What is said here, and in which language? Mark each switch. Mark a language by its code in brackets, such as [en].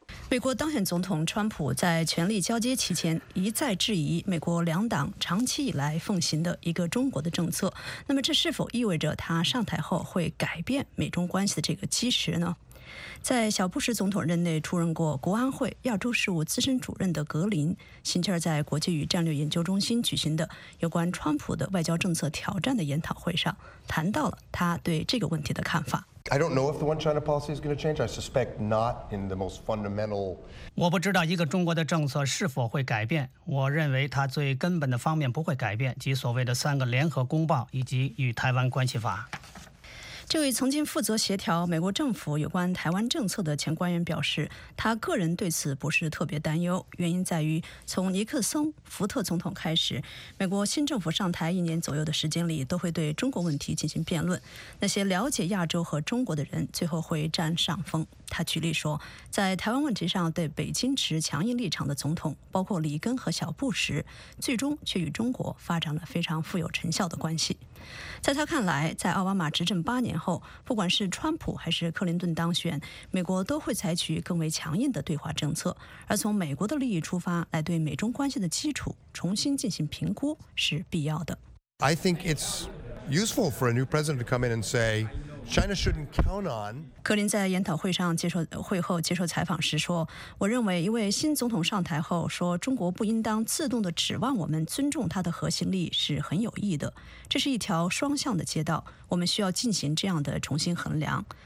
[zh] 美国当选总统川普在权力交接期间一再质疑美国两党长期以来奉行的一个中国的政策，那么这是否意味着他上台后会改变美中关系的这个基石呢？在小布什总统任内出任过国安会亚洲事务资深主任的格林，星期二在国际与战略研究中心举行的有关川普的外交政策挑战的研讨会上谈到了他对这个问题的看法。 [en] I don't know if the one China policy is going to change. I suspect not in the most fundamental. [zh] 我不知道一个中国的政策是否会改变。我认为它最根本的方面不会改变，即所谓的三个联合公报以及与台湾关系法。这位曾经负责协调美国政府有关台湾政策的前官员表示，他个人对此不是特别担忧，原因在于从尼克松、福特总统开始，美国新政府上台一年左右的时间里都会对中国问题进行辩论，那些了解亚洲和中国的人最后会占上风。他举例说，在台湾问题上对北京持强硬立场的总统包括里根和小布什，最终却与中国发展了非常富有成效的关系。在他看来，在奥巴马执政八年后，不管是川普还是克林顿当选，美国都会采取更为强硬的对华政策，而从美国的利益出发来对美中关系的基础重新进行评估是必要的。 [en] I think it's useful for a new president to come in and say, China shouldn't count on. [zh] 柯林在研讨会上会后接受采访时说：“我认为一位新总统上台后说中国不应当自动的指望我们尊重他的核心利益是很有益的。这是一条双向的街道，我们需要进行这样的重新衡量。”